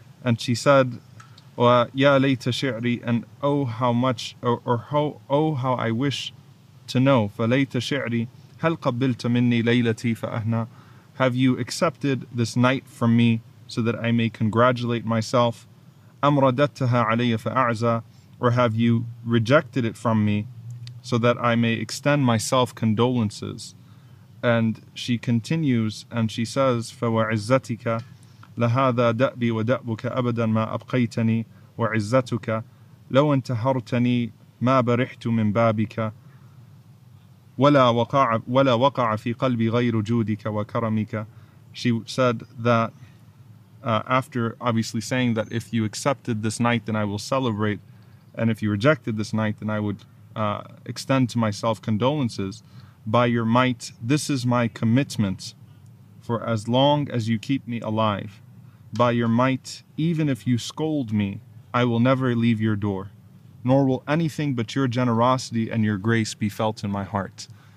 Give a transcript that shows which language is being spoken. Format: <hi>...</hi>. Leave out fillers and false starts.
<en>And she said,</en> <ar>Ya layta shi'ri,</ar> <en>and oh how much, how I wish to know,</en> <ar>fa layta shi'ri, hal qabbilta minni laylati fa ahna,</ar> <en>have you accepted this night from me so that I may congratulate myself,</en> <ar>am radattaha alayya fa a'za,</ar> <en>or have you rejected it from me so that I may extend myself condolences? And she continues and she says,</en> <ar>fa wa izzatika لهذا دأبي ودأبك أبدا ما أبقيتني وعزتك لو انتهرتني ما برحت من بابك ولا وقع في قلبي غير جودك وكرمك.</ar> <en>She said that after obviously saying that if you accepted this night then I will celebrate, and if you rejected this night then I would extend to myself condolences, by your might this is my commitment, for as long as you keep me alive, by your might, even if you scold me, I will never leave your door, nor will anything but your generosity and your grace be felt in my heart.</en>